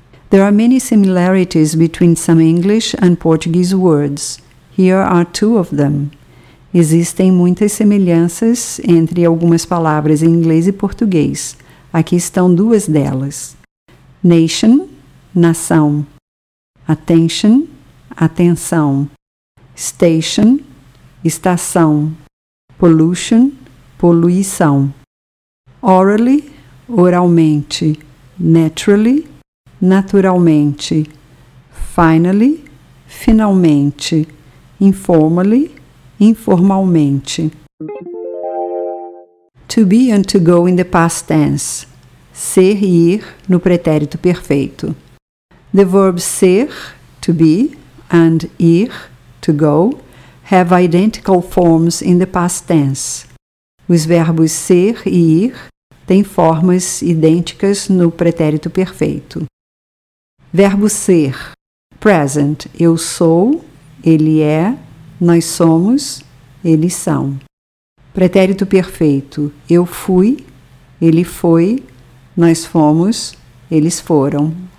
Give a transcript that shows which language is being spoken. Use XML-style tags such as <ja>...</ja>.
<en>There are many similarities between some English and Portuguese words. Here are two of them.</en> <pt>Existem muitas semelhanças entre algumas palavras em inglês e português. Aqui estão duas delas. Nation, nação. Attention, atenção. Station, estação. Pollution, poluição. Orally, oralmente. Naturally, naturalmente. Finally, finalmente. Informally, informalmente.</pt> <en>To be and to go in the past tense.</en> <pt>Ser e ir no pretérito perfeito.</pt> <en>The verbs ser, to be, and ir, to go, have identical forms in the past tense.</en> <pt>Os verbos ser e ir têm formas idênticas no pretérito perfeito. Verbo ser, present, eu sou, ele é, nós somos, eles são. Pretérito perfeito, eu fui, ele foi, nós fomos, eles foram.</pt>